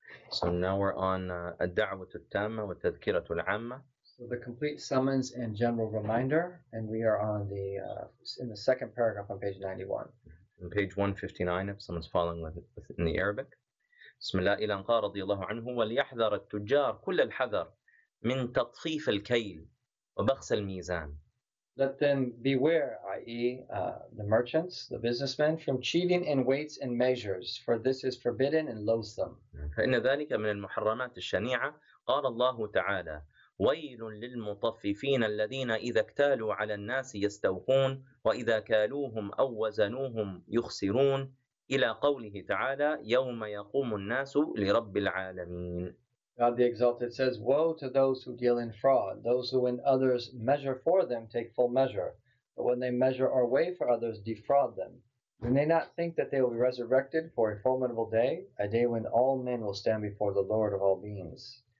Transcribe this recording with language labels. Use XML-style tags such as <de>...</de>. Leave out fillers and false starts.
<en>So now we're on الدعوة التامة والتذكرة العامة. So the complete summons and general reminder, and we are on the in the second paragraph on page 91. On page 159, if someone's following with in the Arabic.</en> <ar>بسم الله إلى أنقى رضي الله عنه وليحذر التجار كل الحذر من تطفيف الكيل وبخس الميزان.</ar> <en>Let them beware, i.e., the merchants, the businessmen, from cheating in weights and measures, for this is forbidden and loathsome.</en> <ar>فإن ذلك من المحرمات الشنيعة. قال الله تعالى: ويل للمطففين الذين إذا اكتالوا على الناس يستوفون وإذا كالوهم أو وزنوهم يخسرون إلى قوله تعالى: يوم يقوم الناس لرب العالمين.</ar> <en>God the Exalted says, woe to those who deal in fraud, those who when others measure for them take full measure, but when they measure or weigh for others defraud them. Do they not think that they will be resurrected for a formidable day, a day when all men will stand before the Lord of all beings?</en>